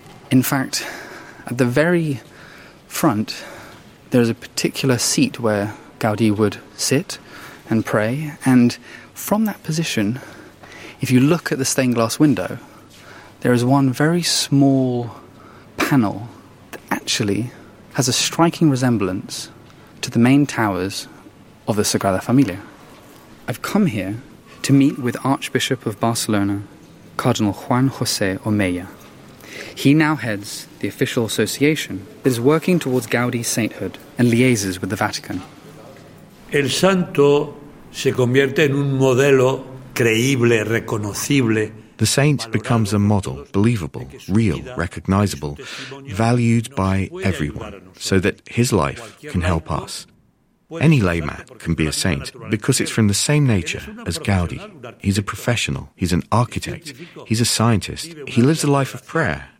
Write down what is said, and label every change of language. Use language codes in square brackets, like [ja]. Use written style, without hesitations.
[en] In fact, at the very front, there's a particular seat where Gaudí would sit and pray, and from that position, if you look at the stained glass window, there is one very small panel that actually has a striking resemblance to the main towers of the Sagrada Familia. I've come here to meet with Archbishop of Barcelona, Cardinal Juan José Omeya. He now heads the official association that is working towards Gaudí's sainthood and liaises with the Vatican. [es] El santo se convierte en un modelo creíble, reconocible. [en] The saint becomes a model, believable, real, recognizable, valued by everyone, so that his life can help us. Any layman can be a saint because it's from the same nature as Gaudí. He's a professional, he's an architect, he's a scientist, he lives a life of prayer.